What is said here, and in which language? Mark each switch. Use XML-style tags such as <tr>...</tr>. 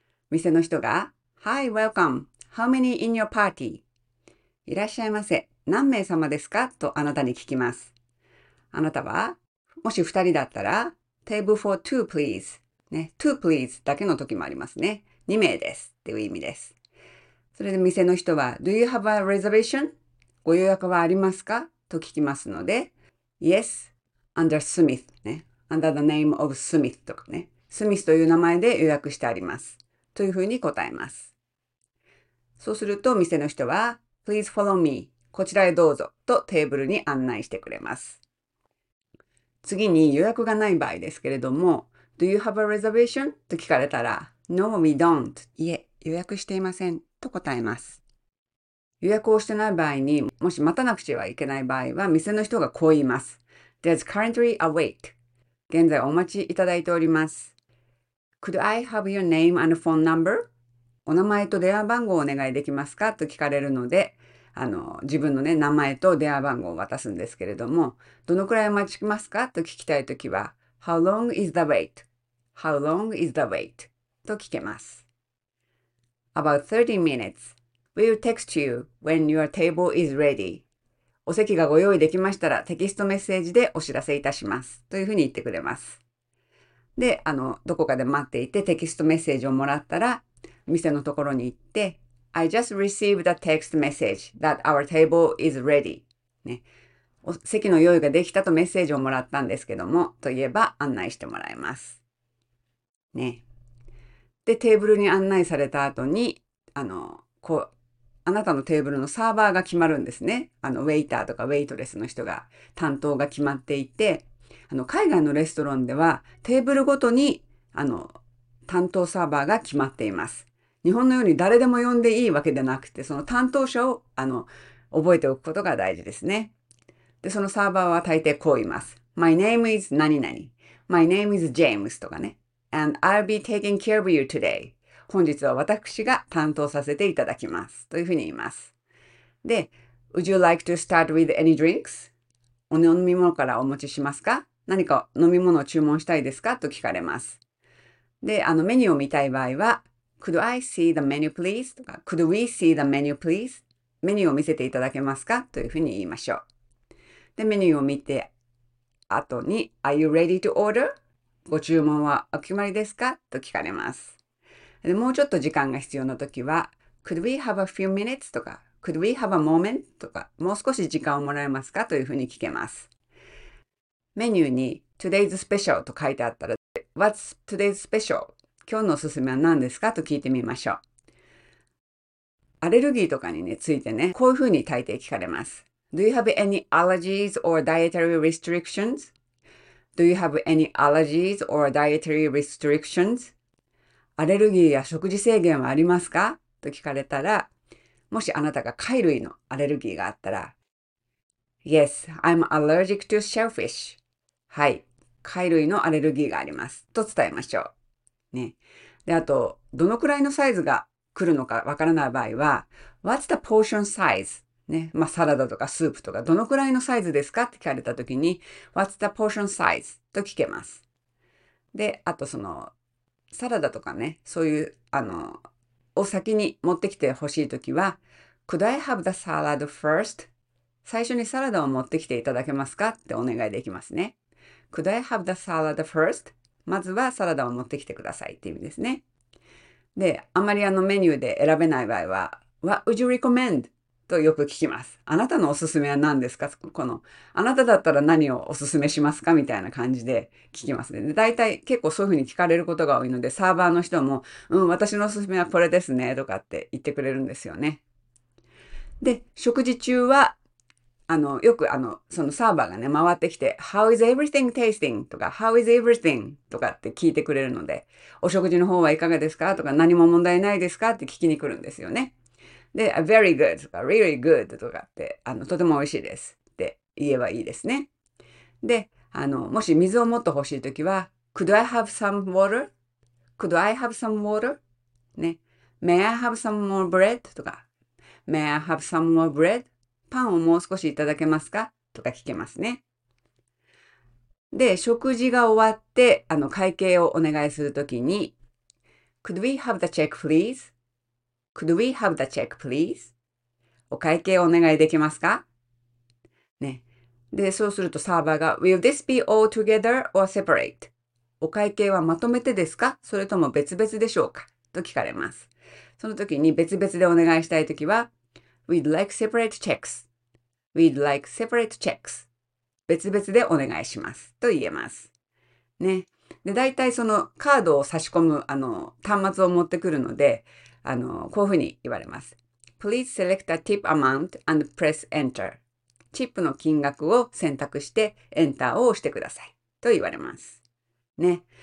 <ja>店の人が、</ja> <en>Hi, welcome! How many in your party?</en> <ja>いらっしゃいませ。何名様ですか? とあなたに聞きます。あなたは、もし2人だったら、</ja> <en>Table for two, please.</en> <ja>ね、</ja> <en>two, please</en> <ja>だけの時もありますね。 2名です。っていう意味です。それで店の人は、</ja> <en>Do you have a reservation?</en> <ja>ご予約はありますか? と聞きますので、</ja> <en>Yes, under Smith.、ね、under the name of Smith とかね。</en> <ja>Smith という名前で予約してあります。というふうに答えます。そうすると、店の人は、</ja> <en>Please follow me.</en> <ja>こちらへどうぞとテーブルに案内してくれます。次に予約がない場合ですけれども、</ja> <en>Do you have a reservation?</en> <ja>と聞かれたら、</ja> <en>No, we don't.</en> <ja>いえ、予約していませんと答えます。予約をしてない場合に、もし待たなくちゃいけない場合は、店の人がこう言います。</ja> <en>There's currently a wait.</en> <ja>現在お待ちいただいております。</ja> <en>Could I have your name and phone number?</en> <ja>お名前と電話番号をお願いできますか?と聞かれるので、自分の、ね、名前と電話番号を渡すんですけれども、どのくらい待ちますかと聞きたいときは</ja> <en>How long is the wait? How long is the wait? と聞けます。 About 30 minutes We'll text you when your table is ready.</en> <ja>お席がご用意できましたらテキストメッセージでお知らせいたしますというふうに言ってくれます。で、どこかで待っていてテキストメッセージをもらったら店のところに行って、</ja> <en>I just received a text message that our table is ready.、</en> <ja>ね、お席の用意ができたとメッセージをもらったんですけども、と言えば案内してもらいます。ね。で、テーブルに案内された後に、あなたのテーブルのサーバーが決まるんですね。ウェイターとかウェイトレスの人が担当が決まっていて、海外のレストランではテーブルごとに、担当サーバーが決まっています。日本のように誰でも呼んでいいわけでなくて、その担当者を覚えておくことが大事ですね。で、そのサーバーは大抵こう言います。</ja> <en>My name is 何々。 My name is James とかね。 And I'll be taking care of you today.</en> <ja>本日は私が担当させていただきます。というふうに言います。で、</ja> <en>Would you like to start with any drinks?</en> <ja>お飲み物からお持ちしますか?何か飲み物を注文したいですか? と聞かれます。で、メニューを見たい場合は、</ja> <en>Could I see the menu, please? とか、Could we see the menu, please?</en> <ja>メニューを見せていただけますか?というふうに言いましょう。で、メニューを見て、後に、</ja> <en>Are you ready to order?</en> <ja>ご注文はお決まりですか? と聞かれます。で、もうちょっと時間が必要なときは、</ja> <en>Could we have a few minutes? とか、Could we have a moment?</en> <ja>とか、もう少し時間をもらえますか?というふうに聞けます。メニューに、Today's special と書いてあったら、</ja> <en>What's today's special?</en> <ja>今日のおすすめは何ですかと聞いてみましょう。アレルギーとかに、ね、ついてね、こういうふうに大抵聞かれます。</ja> <en>Do you have any allergies or dietary restrictions? Do you have any allergies or dietary restrictions?</en> <ja>アレルギーや食事制限はありますかと聞かれたら、もしあなたが貝類のアレルギーがあったら、</ja> <en>Yes, I'm allergic to shellfish.</en> <ja>はい、貝類のアレルギーがあります。と伝えましょう。ね、で、あと、どのくらいのサイズが来るのかわからない場合は、</ja> <en>What's the portion size?</en> <ja>ね、まあ、サラダとかスープとか、どのくらいのサイズですかって聞かれたときに、</ja> <en>What's the portion size?</en> <ja>と聞けます。で、あとそのサラダとかね、そういうを先に持ってきてほしいときは、</ja> <en>Could I have the salad first?</en> <ja>最初にサラダを持ってきていただけますかってお願いできますね。</ja> <en>Could I have the salad first?</en> <ja>まずはサラダを持ってきてくださいっていう意味ですね。で、あまりメニューで選べない場合は、</ja> <en>What would you recommend?</en> <ja>とよく聞きます。あなたのおすすめは何ですか?あなただったら何をおすすめしますか?みたいな感じで聞きますね。で、大体結構そういうふうに聞かれることが多いので、サーバーの人も、私のおすすめはこれですね、とかって言ってくれるんですよね。で、食事中は、よくそのサーバーがね、回ってきて、</ja> <en>How is everything tasting? とか、How is everything?</en> <ja>とかって聞いてくれるので、お食事の方はいかがですか? とか、何も問題ないですか?って聞きに来るんですよね。で、</ja> <en>Very good</en> <ja>とか、</ja> <en>Really good</en> <ja>とかって、とても美味しいですって言えばいいですね。で、もし水をもっと欲しいときは、</ja> <en>Could I have some water? Could I have some water? ね。 May I have some more bread? とか、May I have some more bread?</en> <ja>パンをもう少しいただけますか? とか聞けますね。で、食事が終わって、会計をお願いするときに、</ja> <en>Could we have the check, please? Could we have the check, please?</en> <ja>お会計をお願いできますか? ね。</ja> <en>で、そうするとサーバーが、Will this be all together or separate?</en> <ja>お会計はまとめてですか?それとも別々でしょうか? と聞かれます。そのときに別々でお願いしたいときは、</ja> <en>We'd like separate checks. We'd like separate checks.</en> <ja>別々でお願いします。と言えます。ね。で、だいたいそのカードを差し込む端末を持ってくるので、こういうふうに言われます。</ja> <en>Please select a tip amount and press enter.</en> <ja>チップの金額を選択して</ja> <en>Enter</en> <ja>を押してください。と言われます。ね。</ja>